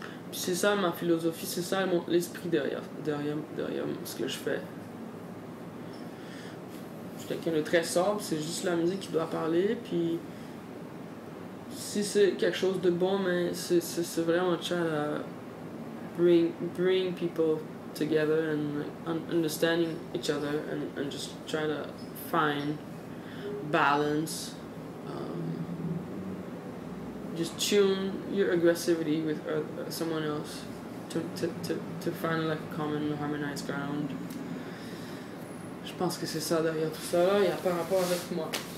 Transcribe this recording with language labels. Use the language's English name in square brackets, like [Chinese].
[French] C'est ça ma philosophie, c'est ça l'esprit derrière ce que je fais. Je suis quelqu'un de très sobre, c'est juste la musique qui doit parler, puis si c'est quelque chose de bon, mais c'est vraiment chill [English] bring people together and understanding each other and just trying to find balance. Just tune your aggressivity with someone else to find like a common harmonized ground. [French] Je pense que c'est ça derrière tout ça là, il y a pas rapport avec moi.